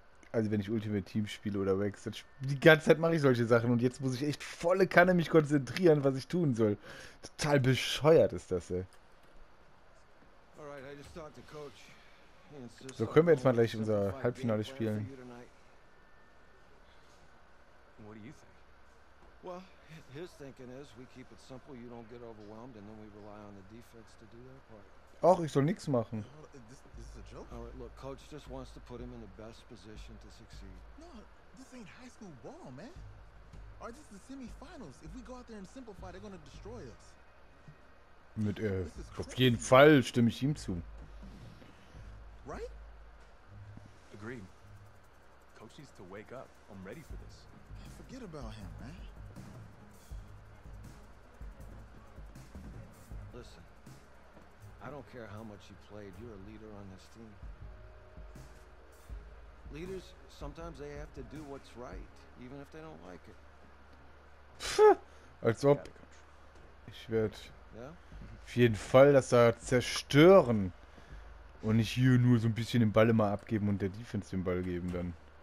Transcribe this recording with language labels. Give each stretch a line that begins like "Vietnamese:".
German: Also wenn ich Ultimate Team spiele oder Wax, die ganze Zeit mache ich solche Sachen und jetzt muss ich echt volle Kanne mich konzentrieren, was ich tun soll. Total bescheuert ist das, ey.
English: Alright, I just talked to Coach.
German: So, können wir jetzt mal gleich unser Halbfinale spielen?
English: What do you think? Well, his thinking is we keep it simple, you don't get overwhelmed and then we rely on the defense to do their part.
German: Ach, ich soll nichts machen.
English: This is a joke. All right, look, coach just wants to put him in the best position to succeed. No, this ain't high school ball, man. Or this is the semifinals. If we go out there and simplify, they're going to destroy us.
German: Mit auf jeden Fall stimme ich ihm zu.
English: Right? Agreed. Coach needs to wake up. I'm ready for this. Forget about him, man. Listen. I don't care how much you played, you're a leader on this team. Leaders, sometimes they have to do what's right, even if they don't like it.
German: Als ob ich werde auf jeden Fall das da zerstören und nicht hier nur so ein bisschen den Ball immer abgeben und der Defense den Ball geben dann.